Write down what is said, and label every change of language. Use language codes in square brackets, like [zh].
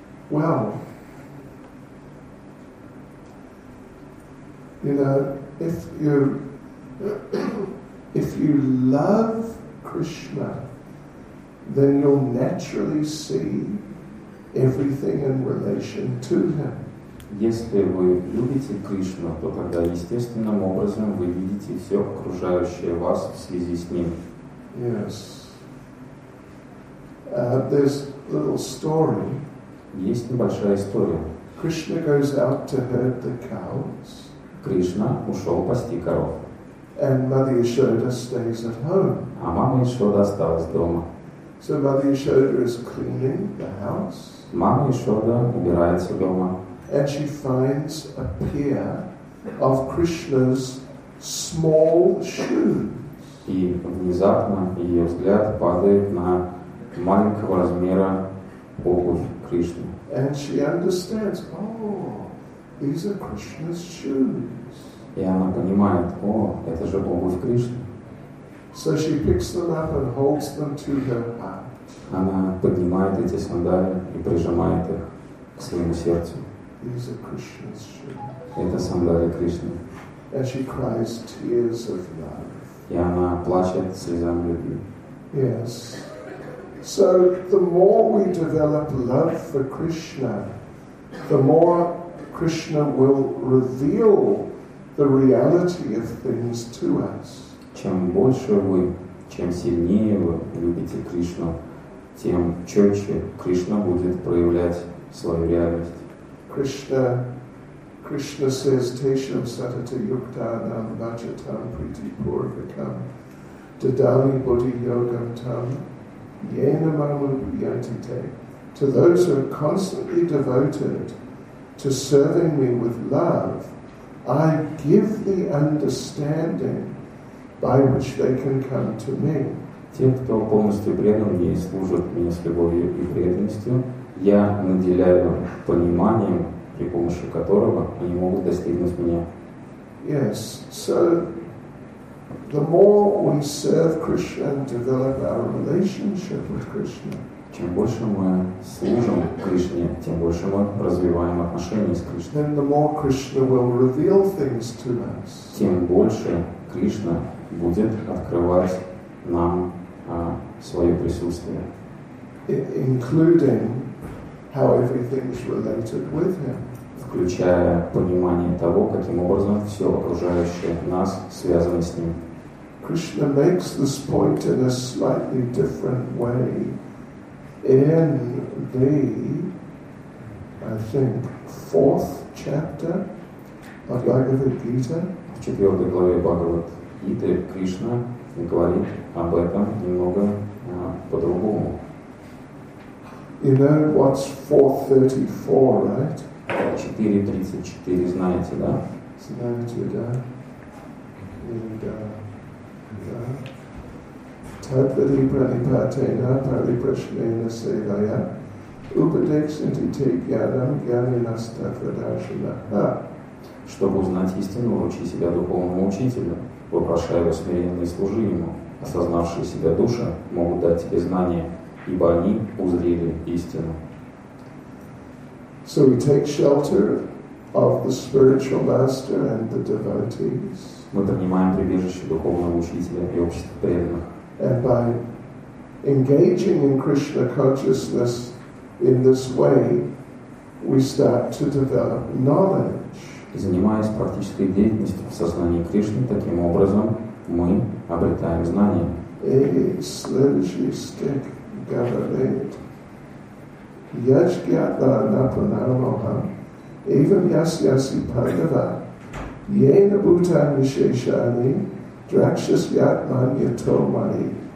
[en] Well, you know, if you love Krishna, then you'll naturally see everything in relation to him. [ru] Если вы любите Кришну, то тогда естественным образом вы видите все окружающее вас в связи с ним. [en] Yes. There's a little story. [ru] Есть небольшая история. [en] Krishna goes out to herd the cows. [ru] Кришна ушел пасти коров. [en] And Mother Yashoda stays at home. [ru] А мама Ишода осталась дома. [en] So Mother Yashoda is cleaning the house. [ru] Мама Ишода убирается дома. [en] And she finds a pair of Krishna's small shoes. [ru] И внезапно ее взгляд падает на маленького размера обувь Кришны. [en] And she understands, oh, these are Krishna's shoes. [ru] И она понимает, о, это же обувь Кришны. [en] So she picks them up and holds them to her heart. [ru] Она поднимает эти сандалии и прижимает их к своему сердцу. [en] These are Krishna's shoes. [ru] Это сандалии Кришны. [en] And she cries tears of love. [ru] И она плачет слезами любви. [en] Yes. So the more we develop love for Krishna, the more Krishna will reveal the reality of things to us. [ru] Чем больше вы, чем сильнее вы любите Кришну, тем четче Кришна будет проявлять свою реальность. [en] Krishna says, [sa] Tesham satata yuktanam vajatam priti purvakam dadali buddhi yogam tam yena mamu yantite. [en] To those who are constantly devoted to serving me with love, I give the understanding by which they can come to me. [ru] Тем, кто полностью предан мне и служит мне с любовью и преданностью, я наделяю пониманием, при помощи которого они могут достигнуть меня. [en] Yes. So, the more we serve Krishna and develop our relationship with Krishna, [ru] чем больше мы служим Кришне, тем больше мы развиваем отношения с Кришной. [en] Then the more Krishna will reveal things to us. [ru] Тем больше Кришна будет открывать нам свое присутствие. [en] Including how everything is related with him. [ru] Включая понимание того, каким образом все окружающее нас связано с ним. [en] Krishna makes this point in a slightly different way in the, I think, fourth chapter of Bhagavad Gita. [ru] В четвертой главе Бхагавад Гиты Кришна говорит об этом немного по-другому. [en] You know what's 434, right? [ru] 434, знаете, да? Знаете, да? [en] And, [sa] Tadvati pranipatena paripashnena sevaya upadeksinti te gyanam gyaninas tadvadashana. [ru] Чтобы узнать истину, учи себя духовному учителю, вопрошая его смиренно и служи ему. Осознавшие себя души могут дать тебе знания, ибо они узрели истину. [en] So we take shelter of the spiritual master and the devotees. [ru] Мы принимаем прибежище духовного учителя и общества преданных. [en] And by engaging in Krishna consciousness in this way, we start to develop knowledge. [ru] И занимаясь практической деятельностью в сознании Кришны, таким образом мы обретаем знания. Эй, следующий стих говорит. [sa] Яшгьятва напунармоха, эйвам ясьяси пандава, ейна бутами шешани, дракшасьятман ятомани.